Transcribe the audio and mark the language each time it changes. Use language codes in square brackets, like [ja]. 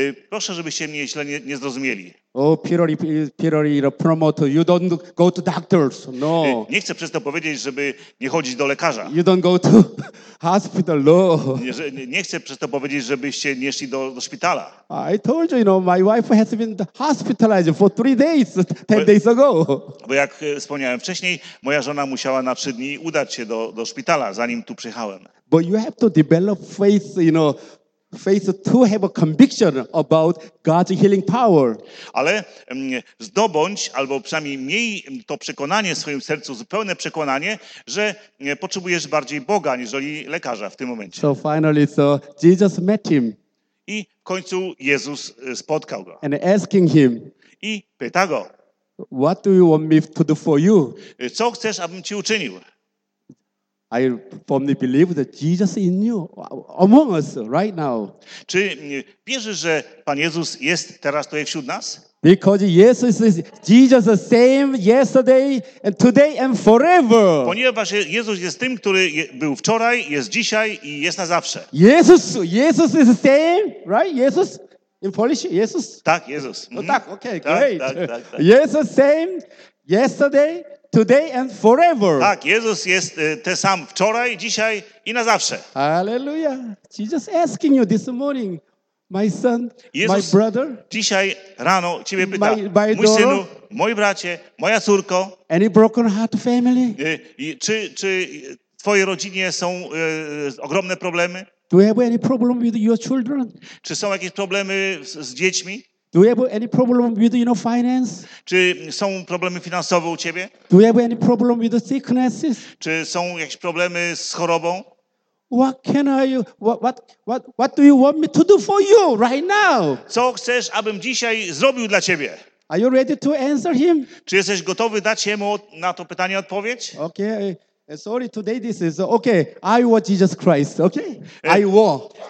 [pl] Proszę, żebyście mnie źle nie zrozumieli. [en] Oh, Peter, promoter, you don't go to doctors. No. [pl] Nie chcę przez to powiedzieć, żeby nie chodzić do lekarza. [en] You don't go to hospital. No. [pl] Nie chcę przez to powiedzieć, żebyście nie szli do szpitala. [en] I told you, you know, my wife has been hospitalized for 3 days, 10 days ago. [pl] Bo jak wspomniałem wcześniej, moja żona musiała na 3 dni udać się do szpitala, zanim tu przyjechałem. [en] But you have to develop faith, you know, faith to have a conviction about God's healing power. [pl] Ale zdobądź, albo przynajmniej miej to przekonanie w swoim sercu, zupełne przekonanie, że potrzebujesz bardziej Boga, niżeli lekarza w tym momencie. [en] So finally, so Jesus met him. [pl] I w końcu Jezus spotkał go. [en] And asking him. [pl] I pyta go. [en] What do you want me to do for you? [pl] Co chcesz, abym ci uczynił? [en] I firmly believe that Jesus is in you, among us, right now. [pl] Czy wierzysz, że Pan Jezus jest teraz tutaj wśród nas? [en] Because Jesus is the same yesterday and today and forever. [pl] Ponieważ Jezus jest tym, który był wczoraj, jest dzisiaj i jest na zawsze. [en] Jesus is the same, right? Jesus in Polish, Jesus. [pl] Tak, Jezus. [en] Mm-hmm. [pl] Tak, [en] okay, great. [pl] Tak. [en] Jesus same yesterday. Today and forever. [pl] Tak, Jezus jest ten sam wczoraj, dzisiaj i na zawsze. [en] Hallelujah. Jesus asking you this morning, my son, Jezus my brother. [pl] Dzisiaj rano ciebie pyta, mój synu, moi bracie, moja córko. [en] Any broken heart family? [pl] Czy w twojej rodzinie są ogromne problemy? [en] Do you have any problem with your children? [pl] Czy są jakieś problemy z dziećmi? [en] Do you have any problem with, you know, finance? [pl] Czy są problemy finansowe u ciebie? [en] Do you have any problem with the sicknesses? [pl] Czy są jakieś problemy z chorobą? [en] What can I, what do you want me to do for you right now? [pl] Co chcesz, abym dzisiaj zrobił dla ciebie? [en] Are you ready to answer him? [pl] Czy jesteś gotowy dać jemu na to pytanie odpowiedź? [en] Okay, sorry, today this is okay. I was Jesus Christ. Okay, I was.